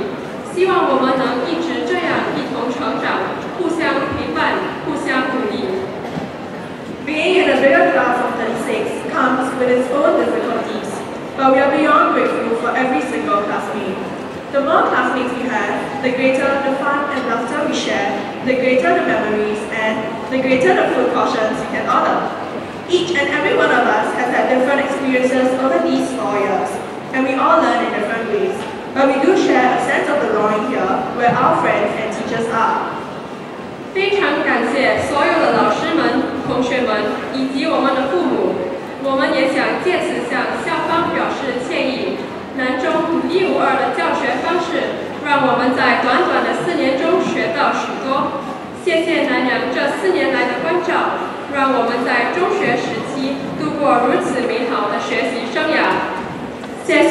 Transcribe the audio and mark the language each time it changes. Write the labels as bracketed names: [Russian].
[Chinese] 班上所有的同学给予我们珍贵的友情与难忘的回忆，希望我们能一直这样一同成长，互相陪伴，互相鼓励。 [English] Being in a bigger class of 36 comes with its own difficulties, but we are beyond grateful for every single classmate. The more classmates we have, the greater the fun and laughter we share, the greater the memories, and the greater the food portions we can order. Each and every one of us has had different experiences over these 4 years, and we all learn in different ways. But we do share a sense of belonging here, where our friends and teachers are. [Chinese] 非常感谢所有的老师们、同学们以及我们的父母。我们也想借此向校方表示歉意。南中独一无二的教学方式，让我们在短短的4年中学到许多。谢谢南洋这4年来的关照，让我们在中学时期度过如此美好的学习生涯。